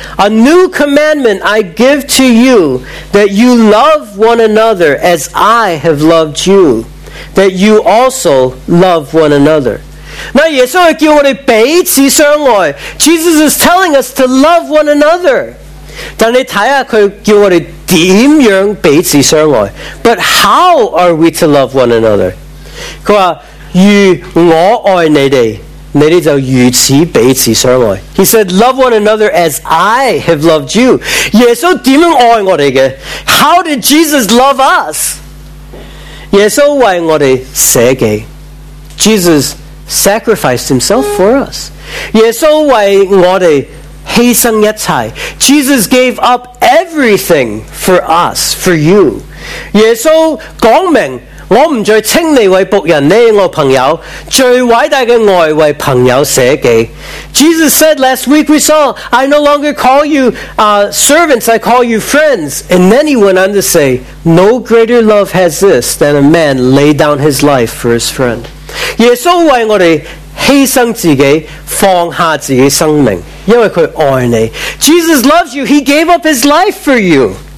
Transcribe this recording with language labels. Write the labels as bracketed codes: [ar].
[en] A new commandment I give to you, that you love one another as I have loved you, that you also love one another. [zh] 那耶稣是叫我们彼此相爱。 [en] Jesus is telling us to love one another. [zh] 但你看看他叫我们怎样彼此相爱。 [en] But how are we to love one another? [zh] 他说如我爱你们，你们就如此彼此相爱。 [en] He said, love one another as I have loved you. [zh] 耶稣怎样爱我们的？ [en] How did Jesus love us? [zh] 耶稣为我们舍己。 [en] Jesus sacrificed himself for us. [zh] 耶稣为我们牺牲一切。 [en] Jesus gave up everything for us, for you. [zh] 耶稣讲明我不再称你为仆人，你是我朋友，最伟大的爱为朋友舍己。 [en] Jesus said last week we saw, I no longer call you servants, I call you friends. And then he went on to say, no greater love has this than a man lay down his life for his friend. [zh] 耶稣为我们牺牲自己，放下自己生命，因为他爱你。 [en] Jesus loves you, he gave up his life for you.